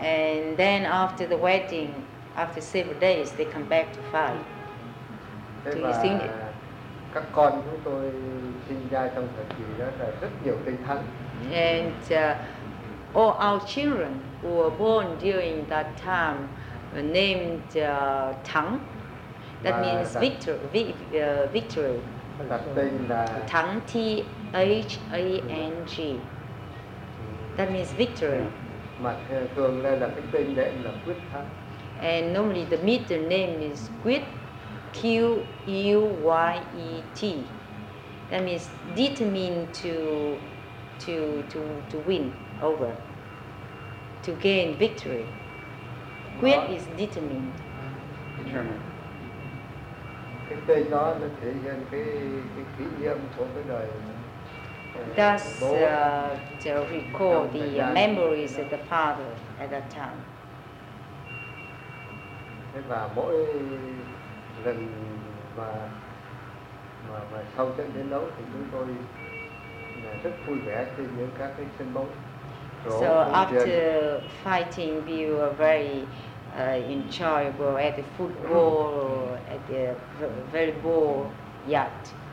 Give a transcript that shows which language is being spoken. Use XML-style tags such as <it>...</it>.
<en>And then after the wedding, after several days, they come back to fight.</en> <vi>Thế và các con chúng tôi sinh ra trong thời kỳ đó là rất nhiều tinh thần.</vi> <en>And all our children who were born during that time were named Thắng. That means victory. Thắng, T-H-A-N-G. That means victory.</en> <vi>Mà thường là cái tên đệm là Quyết Thắng.</vi> <en>And normally the middle name is Quyết, Q-U-Y-E-T. That means determined to win over, to gain victory. Quyết is determined. Determined.</en> <vi>cái tên đó nó thể hiện cái kỷ niệm của cái đời.</vi> <en>Thus, to recall the memories of the father at that time.</en> <vi>Thế và mỗi lần mà sau trận chiến đấu thì chúng tôi là rất vui vẻ trên những các cái sân bóng.</vi> <en>So after fighting, we were very enjoyable at the football, at the very ball yard.</en>